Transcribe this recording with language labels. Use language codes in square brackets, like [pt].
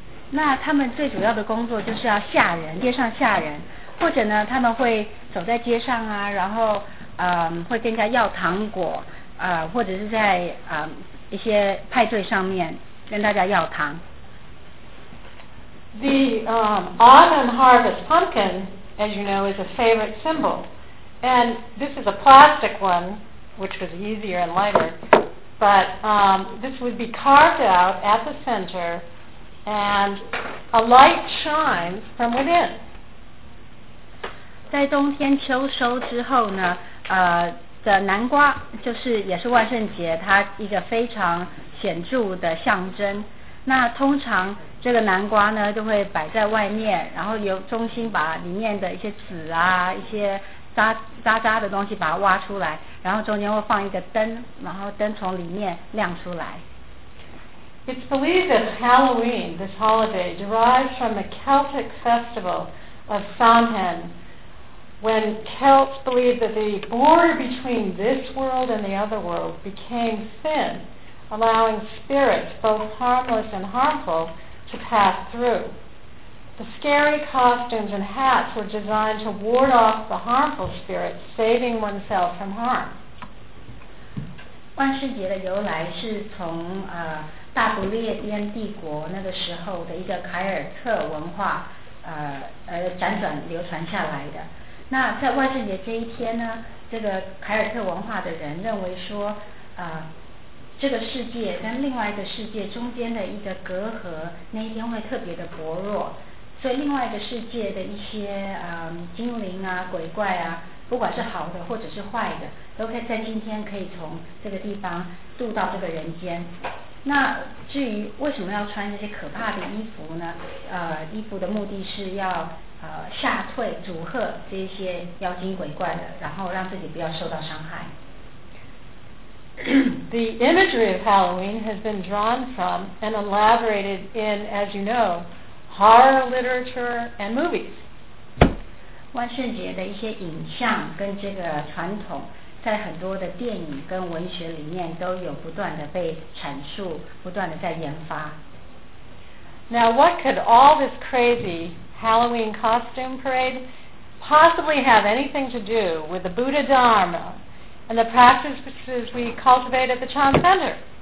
[zh] 那他们最主要的工作就是要吓人，街上吓人，或者呢，他们会走在街上啊，然后会跟人家要糖果，或者是在一些派对上面跟大家要糖。 [en] The autumn harvest pumpkin, as you know, is a favorite symbol, and this is a plastic one, which was easier and lighter. But this would be carved out at the center, and a light shines from within. [zh] 在冬天秋收之后呢，的南瓜就是也是万圣节它一个非常显著的象征。那通常这个南瓜呢就会摆在外面，然后由中心把里面的一些籽啊、一些渣的东西把它挖出来，然后中间会放一个灯，然后灯从里面亮出来。 [en] It's believed that Halloween, this holiday, derives from a Celtic festival of Samhain, when Celts believed that the border between this world and the other world became thin, allowing spirits, both harmless and harmful, to pass through. The scary costumes and hats were designed to ward off the harmful spirits, saving oneself from harm. [zh] 万圣节的由来是从大不列颠帝国那个时候的一个凯尔特文化辗转流传下来的。那在万圣节这一天呢，这个凯尔特文化的人认为说，这个世界跟另外一个世界中间的一个隔阂，那一天会特别的薄弱，所以另外一个世界的一些精灵啊、鬼怪啊，不管是好的或者是坏的，都可以在今天可以从这个地方渡到这个人间。那至于为什么要穿这些可怕的衣服呢？衣服的目的是要吓退、阻吓这些妖精鬼怪的，然后让自己不要受到伤害。 [en] The imagery of Halloween has been drawn from and elaborated in, as you know, horror literature and movies. [zh] 万圣节的一些影像跟这个传统在很多的电影跟文学里面都有不断的被阐述，不断的在研发。 [en] Now, what could all this crazy Halloween costume parade possibly have anything to do with the Buddha Dharma and the practices we cultivate at the Chan Center?